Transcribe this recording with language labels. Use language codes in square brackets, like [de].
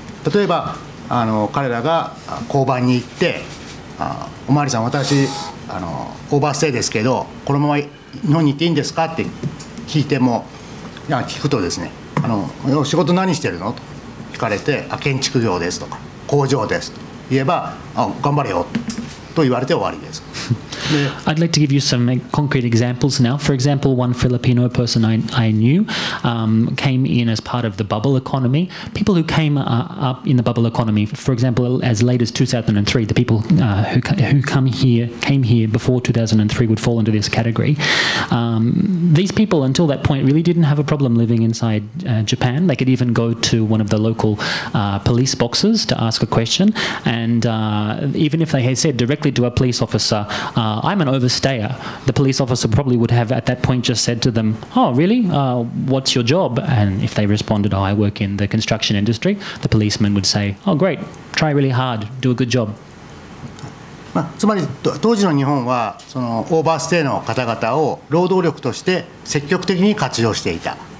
[ja] 例えば彼らが交番に行って、おまわりさん、私オーバーステイですけど、このまま日本に行っていいんですかって聞いても、いや、聞くとですね、仕事何してるのと聞かれて、あ、建築業ですとか工場ですと言えば、あ、頑張れよと言われて終わりです。 [en] I'd like to give you some concrete examples now. For example, one Filipino person I knew came in as part of the bubble economy. People who came up in the bubble economy, for example, as late as 2003, the people who came here before 2003 would fall into this category. These people, until that point, really didn't have a problem living inside Japan. They could even go to one of the local police boxes to ask a question. And even if they had said directly to a police officer, I'm an overstayer, the police officer probably would have at that point just said to them, oh, really? What's your job? And if they responded, oh, I work in the construction industry, the policeman would say, oh, great, try really hard, do a good job. [ja] つまり当時の日本はそのオーバーステイの方々を労働力として積極的に活用していた。